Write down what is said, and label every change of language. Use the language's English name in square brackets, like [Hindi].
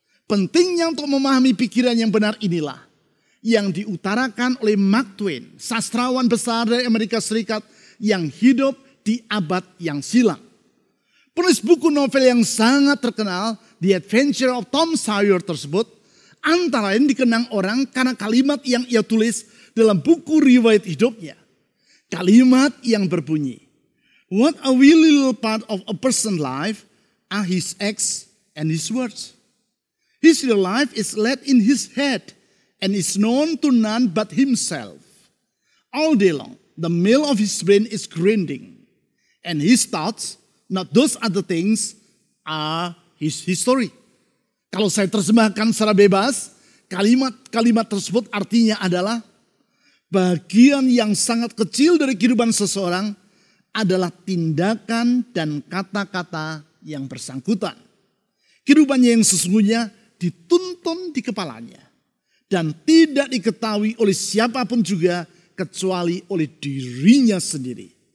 [Indonesian] Pentingnya untuk memahami pikiran yang benar inilah yang diutarakan oleh Mark Twain, sastrawan besar dari Amerika Serikat yang hidup di abad yang silam. Penulis buku novel yang sangat terkenal, The Adventure of Tom Sawyer tersebut, antara lain dikenang orang karena kalimat yang ia tulis dalam buku riwayat hidupnya. Kalimat yang berbunyi, [English] "What a wee little part of a person's life are his acts and his words. His little life is led in his head and is known to none but himself. All day long, the mill of his brain is grinding. and his thoughts, not those other things, are his history. [Indonesian] Kalau saya terjemahkan secara bebas, kalimat-kalimat tersebut artinya adalah bagian yang sangat kecil dari kehidupan seseorang adalah tindakan dan kata-kata yang bersangkutan. Kehidupannya yang sesungguhnya dituntun di kepalanya dan tidak diketahui oleh siapapun juga kecuali oleh dirinya sendiri.